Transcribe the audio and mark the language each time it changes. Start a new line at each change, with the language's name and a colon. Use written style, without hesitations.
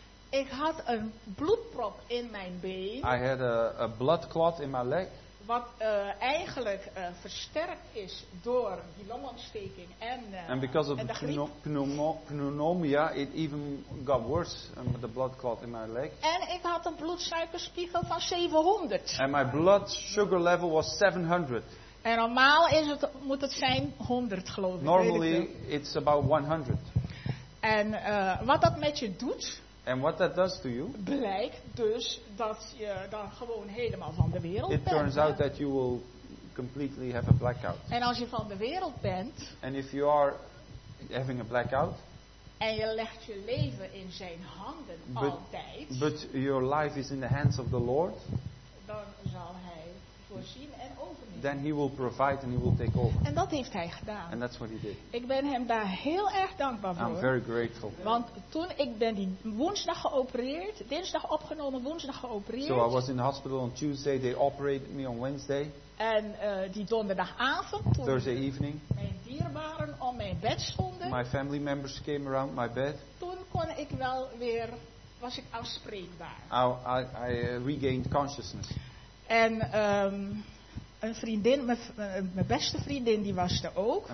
Dutch: Ik had een bloedprop in mijn been.
English: I had a blood clot in my leg.
Dutch: Wat eigenlijk versterkt is door die longontsteking en de griep.
English: And because of pneumonia, it even got worse, the blood clot in my leg.
Dutch: En ik had een bloedsuikerspiegel van 700.
English: And my blood sugar level was 700.
Dutch: En normaal moet het zijn 100, geloof ik.
English: Normally it's about 100.
Dutch: En wat dat met je doet.
English: And what that does to you.
Dutch: Blijkt dus dat je dan gewoon helemaal van de wereld bent.
English: It turns out that you will completely have a blackout.
Dutch: En als je van de wereld bent.
English: And if you are having a blackout.
Dutch: En je legt je leven in zijn handen altijd.
English: But your life is in the hands of the Lord.
Dutch: Dan zal hij voorzien en overnemen.
English: Then he will provide and he will take over.
Dutch: En dat heeft hij gedaan.
English: And that's what he did.
Dutch: Ik ben hem daar heel erg dankbaar voor.
English: I'm very grateful.
Dutch: Want toen ik ben die woensdag geopereerd, dinsdag opgenomen, woensdag geopereerd.
English: So I was in the hospital on Tuesday, they operated me on Wednesday.
Dutch: En die donderdagavond toen
English: Thursday evening,
Dutch: mijn dierbaren om mijn bed stonden.
English: My family members came around my bed.
Dutch: Toen kon ik wel weer, was ik aanspreekbaar.
English: I regained consciousness.
Dutch: En een vriendin, mijn beste vriendin, die was er ook.